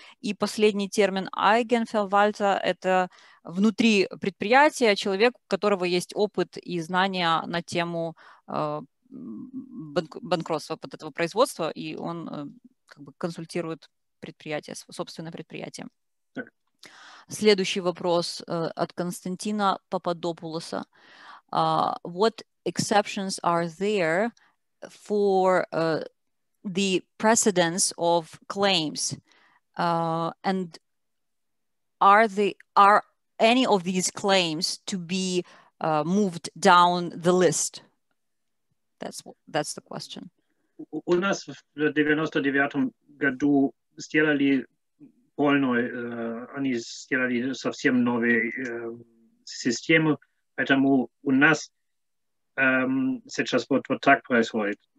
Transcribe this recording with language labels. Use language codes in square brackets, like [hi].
[ru] И последний термин Eigenverwalter это внутри предприятия человек, у которого есть опыт и знания на тему банкротства под этого производства, и он как бы консультирует предприятие, собственное предприятие. Так. Следующий вопрос от Константина Пападопулоса. [en] What exceptions are there for the precedence of claims? And are any of these claims to be moved down the list? That's the question. [ru] У нас в 99-м году сделали полную, они сделали совсем новые системы, поэтому у нас сейчас вот так происходит.